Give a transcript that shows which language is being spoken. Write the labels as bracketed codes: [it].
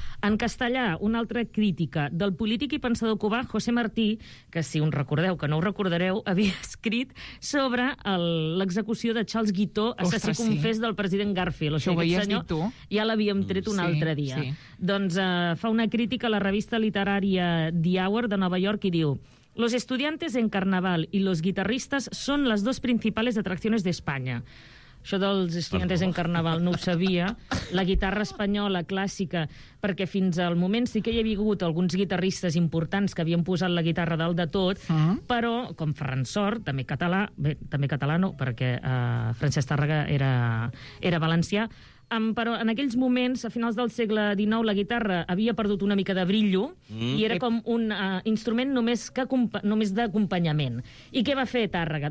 [ca] En castellà, una altra crítica del polític i pensador cubà José Martí, que si un recordeu que no ho recordareu, havia escrit sobre l'execució de Charles Guiteau, assassí confés del president Garfield. Això ho havies dit tu. Ja l'havíem tret un altre dia. Sí. Doncs fa una crítica a la revista literària The Hour de Nova York i diu... [es] Los estudiantes en carnaval y los guitarristas son las dos principales atracciones de España. [ca] Això dels estudiants en carnaval no ho sabia. La guitarra espanyola clàssica, perquè fins al moment sí que hi havia hagut alguns guitarristes importants que havien posat la guitarra dalt de tot, però, com Ferran Sort, també català, bé, també català no, perquè Francesc Tàrrega era valencià, però en aquells moments, a finals del segle XIX, la guitarra havia perdut una mica de brillo i era com un instrument només d'acompanyament. I què va fer Tàrrega?